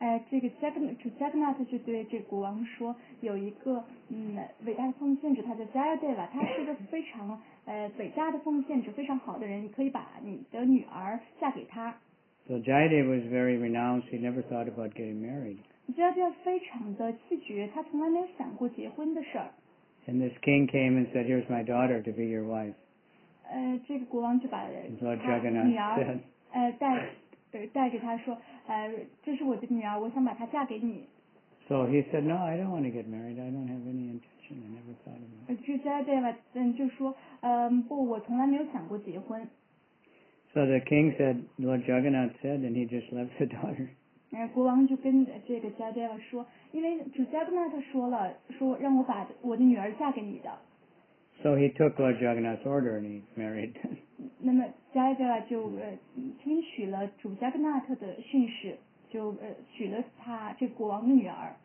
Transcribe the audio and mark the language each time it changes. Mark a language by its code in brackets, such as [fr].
[zh] 这个Jagannath就对这个国王说，有一个伟大的奉献者，他叫 Jayadeva， 他是一个非常伟大的奉献者，非常好的人，你可以把你的女儿嫁给他。 [en] So Jayadeva was very renowned. He never thought about getting married. [zh] Jayadeva 非常的气绝，他从来没有想过结婚的事儿。 [en] And this king came and said, "Here's my daughter to be your wife." [zh] 这个国王就把他女儿带给他说，这是我的女儿，我想把她嫁给你。 [en] So he said, "No, I don't want to get married. I don't have any intention. I never thought of it." [zh] 这个 Jayadeva 就说，不，我从来没有想过结婚。 [en] So the king said, Lord Jagannath said, and he just left the daughter. [zh] 国王就跟这个 Jayadeva 说，因为主 Jagannath 说了，说让我把我的女儿嫁给你的。 [en] So he took Lord Jagannath's order and he married. [zh] 那么加耶德拉就听取了主加格纳特的训示，就娶了他这国王的女儿。